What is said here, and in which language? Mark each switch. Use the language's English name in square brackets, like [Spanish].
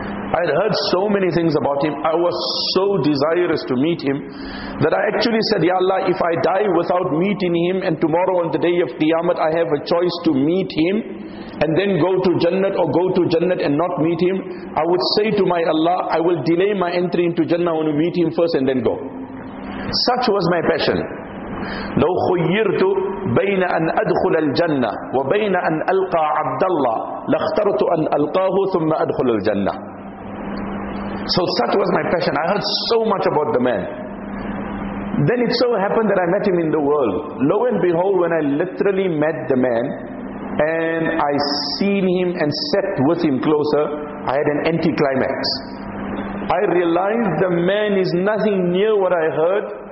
[English] I had heard so many things about him. I was so desirous to meet him that I actually said, Ya Allah, if I die without meeting him and tomorrow on the day of Qiyamah I have a choice to meet him and then go to Jannah or go to Jannah and not meet him, I would say to my Allah, I will delay my entry into Jannah when I meet him first and then go. Such was my passion. [Arabic] لو خيرت بين أن أدخل الجنة وبين أن ألقى عبد الله لاخترت أن ألقاه ثم أدخل الجنة. [English] So such was my passion. I heard so much about the man. Then it so happened that I met him in the world. Lo and behold, when I literally met the man and I seen him and sat with him closer, I had an anticlimax. I realized the man is nothing near what I heard.